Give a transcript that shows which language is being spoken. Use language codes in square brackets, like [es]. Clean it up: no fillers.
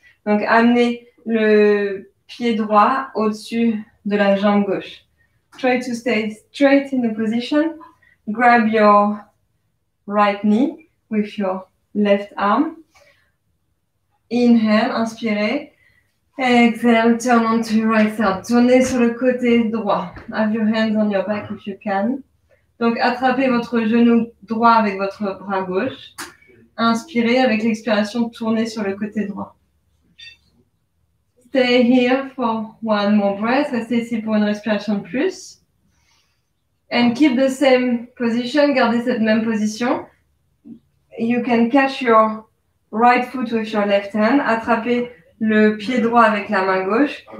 [fr] Donc, amenez le pied droit au-dessus de la jambe gauche. [en] Try to stay straight in the position. Grab your right knee with your left arm. Inhale, [fr] inspirez. [en] Exhale, turn onto your right side. [fr] Tournez sur le côté droit. [en] Have your hands on your back if you can. [fr] Donc, attrapez votre genou droit avec votre bras gauche. Inspirez avec l'expiration, tournez sur le côté droit. [en] Stay here for one more breath. [fr] Restez ici pour une respiration de plus. [en] And keep the same position. [fr] Gardez cette même position. [en] You can catch your right foot with your left hand. [fr] Attrapez le pied droit avec la main gauche.